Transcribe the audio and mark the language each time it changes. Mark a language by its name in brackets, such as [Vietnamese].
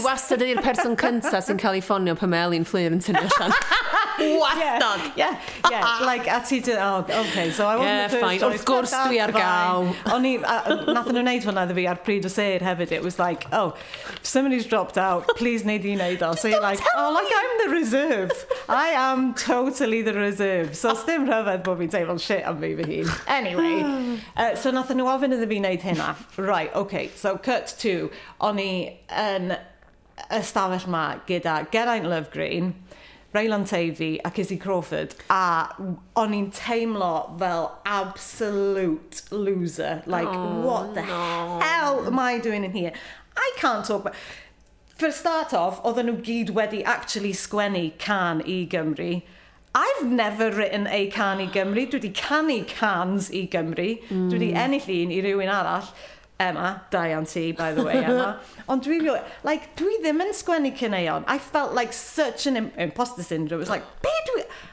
[Welsh] Fi wastad ydy'r person cynta sy'n cael ei ffonio pan mae Elin Fleur yn tynnu allan. Wastad! Yeah. [English] Like, [Welsh] at ti dweud, [English] oh, okay, so I wasn't yeah, the first fine. Choice. Of course [Welsh] dwi ar gael. O'n i, nathen nhw'n neud hwnna ddefi ar pryd o seir hefyd, [English] it was like, oh, if somebody's dropped out, please [Welsh] neud i neud o. [English] So you're like, oh, like, I'm the reserve. I am totally the reserve. So it's [Welsh] dim rhyfedd bod fi'n teimlo'n shit am fi fy hun. Anyway, so nathen nhw ofyn ddefi neud hynna. [English] Right, okay, so cut to, [Welsh] o'n i yn ystafell ma gyda Geraint Lovegreen, Raylan Tavy a Kizzy Crawford, a o'n i'n teimlo fel [English] absolute loser. [Welsh] Like, oh, [English] what the hell am I doing in here? I can't talk about... For start off, [Welsh] oedden nhw gyd wedi actually sgwennu can i Gymru. [English] I've never written a can i Gymru. [Welsh] Dwi wedi canu cans i Gymru. [English] Mm. [Welsh] Dwi wedi ennill un i rywun arall. Emma, Diane T, by the way, Emma. Ond dwi rio, like, dwi ddim yn sgwennu cyneuon. [English] I felt like such an imposter syndrome. It was like, [Welsh] be dwi...